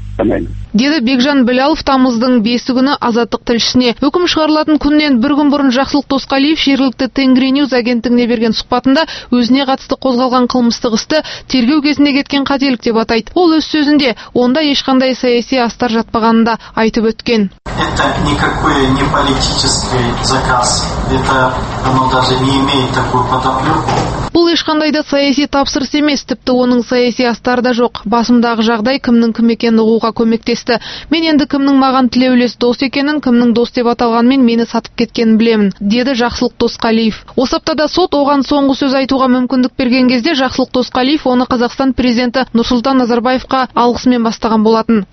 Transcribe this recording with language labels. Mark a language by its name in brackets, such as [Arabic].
[Kazakh] деді Бекжан Білалов тамыздың 5-і күні Азаттық тілшісіне. Үкім шығарылатын күннен бір күн бұрын Жақсылық Досқалиев жергілікті Тенгриньюз агенттігіне берген сұхбатында өзіне қатысты қозғалған қылмыстық істі тергеу кезінде кеткен қателік деп атайды. Ол өз сөзінде онда ешқандай саяси астар жатпағанын да айтып өткен. [Russian] Это никакой не политический заказ. Это оно даже не имеет такую подоплеку. [Kazakh] Бұл ешқандай да саяси тапсырыс емес, тіпті оның саяси астары да жоқ. Басымдағы жағдай кімнің кім екенін ұғуға көмектесті. келісті. Мен енді кімнің маған тілеулес дос екенін, кімнің дос деп аталғанмен мені сатып кеткенін білемін, деді Жақсылық Досқалиев. Осы аптада сот оған соңғы сөз айтуға мүмкіндік берген кезде Жақсылық Досқалиев оны Қазақстан президенті Нұрсұлтан Назарбаевқа алғысымен бастаған болатын.